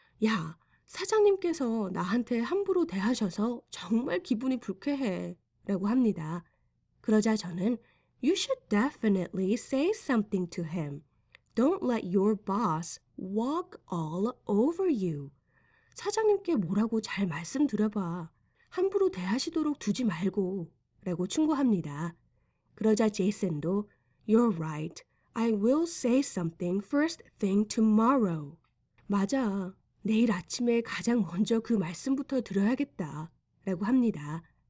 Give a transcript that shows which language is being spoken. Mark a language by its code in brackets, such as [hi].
[ko] 야, 사장님께서 나한테 함부로 대하셔서 정말 기분이 불쾌해 라고 합니다. 그러자 저는 [en] You should definitely say something to him. Don't let your boss walk all over you. [ko] 사장님께 뭐라고 잘 말씀드려봐. 함부로 대하시도록 두지 말고 라고 충고합니다. 그러자 제이슨도 [en] You're right. I will say something first thing tomorrow. [ko] 맞아. 내일 아침에 가장 먼저 그 말씀부터 드려야겠다 라고 합니다.